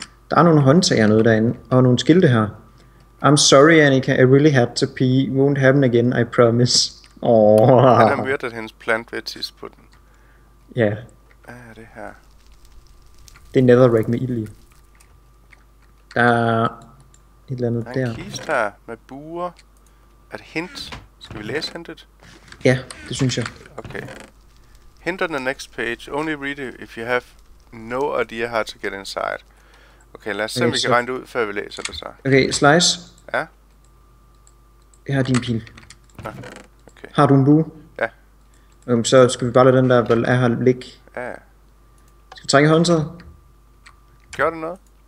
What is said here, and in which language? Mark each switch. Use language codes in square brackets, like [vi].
[da] Der er nogle håndtager nede derinde, og nogle skilte her. [en] I'm sorry, Annika, I really had to pee. Won't happen again, I promise. [da] Han har myrdet hendes plant ved at tisse på den. Ja. Hvad er det her? Det er netherrack med ild i. Der er et eller andet der. Der er en kiste her med buer. Er det hint? Skal vi læse hintet? Ja, det synes jeg. [en] Okay. Hint on the next page. Only read it if you have no idea how to get inside. [da] Okay, lad os se, om vi kan regne det ud, før vi læser det så. Okay, slice. Ja? Jeg har din pil. Ja, okay. Har du en bue? Ja. Okay, så skal vi bare lade den der vel er her ligge. Ja. Skal vi trække håndtaget? Gør det noget?